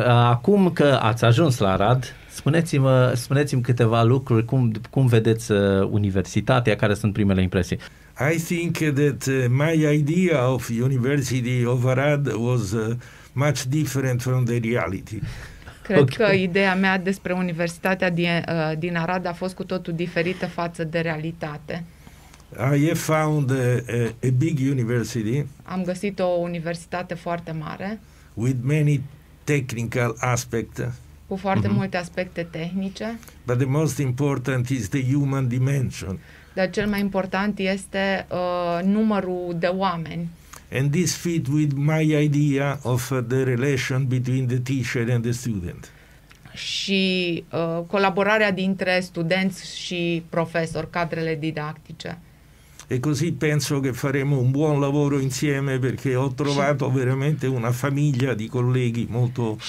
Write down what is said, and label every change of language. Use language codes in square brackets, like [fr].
[ro] Acum că ați ajuns la Arad, spuneți-mi câteva lucruri, cum vedeți universitatea, care sunt primele impresii. [en] I think that my idea of University of Arad was much different from the reality. [ro] Cred okay. că ideea mea despre Universitatea din Arad a fost cu totul diferită față de realitate. [en] I have found a big university. [ro] Am găsit o universitate foarte mare. [en] With many technical aspects. [ro] Cu foarte multe aspecte tehnice. [en] But the most important is the human dimension. [ro] Dar cel mai important este numărul de oameni. [en] And this fit with my idea of the relation between the teacher and the student. [ro] Și colaborarea dintre studenți și profesori, cadrele didactice. [it] E così penso che faremo un buon lavoro insieme perché ho trovato veramente una famiglia di colleghi molto affettuosi.